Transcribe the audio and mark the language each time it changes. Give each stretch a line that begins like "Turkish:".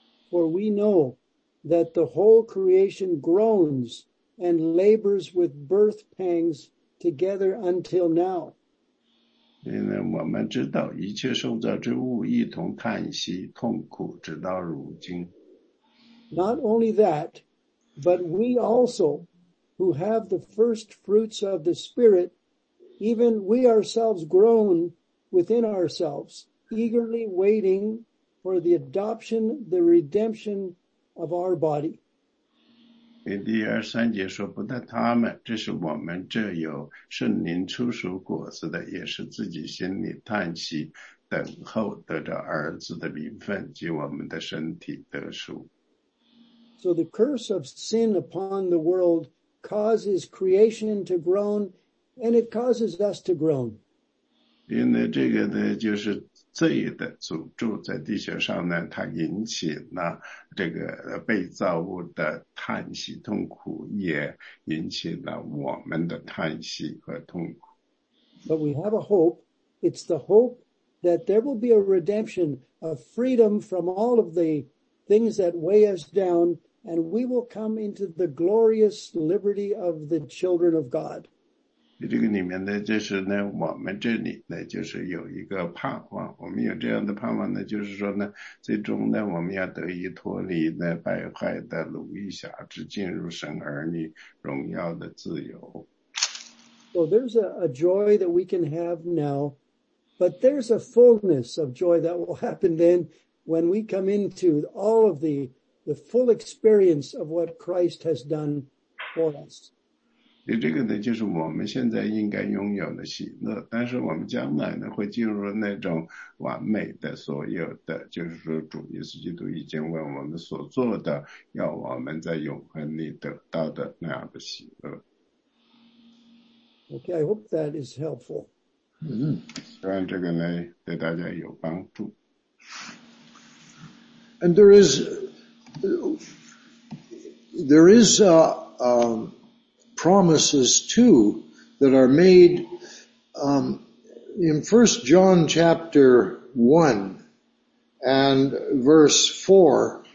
English: For we know that the whole creation groans and labors with birth pangs together until now.
Chinese: 因为我们知道一切受造之物一同叹息痛苦直到如今。
English: Not only that, but we also, who have the first fruits of the Spirit, even we ourselves groan within ourselves, eagerly waiting for the adoption, the redemption of our body.
Chinese: 第二三节说不但他们这是我们这有圣灵初熟果子的也是自己心里叹息等候得着儿子的名分及我们的身体得赎。
English: So the curse of sin upon the world causes creation to groan and it causes us to groan.
Chinese: 因为这个呢就是罪的诅咒在地球上呢，它引起了这个被造物的叹息痛苦，也引起了我们的叹息和痛苦。
English: But we have a hope. It's the hope that there will be a redemption, a freedom from all of the things that weigh us down, and we will come into the glorious liberty of the children of God.
Chinese: 这个里面呢，就是呢，我们这里呢，就是有一个盼望。我们有这样的盼望呢，就是说呢，最终呢，我们要得以脱离那败坏的奴役辖制，进入神儿女荣耀的自由。
English: So there's a joy that we can have now, but there's a fullness of joy that will happen then when we come into all of the full experience of what Christ has done for us.
Chinese: 这个呢，就是我们现在应该拥有的喜乐，但是我们将来呢，会进入那种完美的所有的，就是说主耶稣基督已经为我们所做的，要我们在永恒里得到的那样的喜乐。
English: Okay, I hope that is helpful.
Chinese: 希望这个呢，对大家有帮助。
English: And promises too that are made in 1 John chapter 1 and verse 4.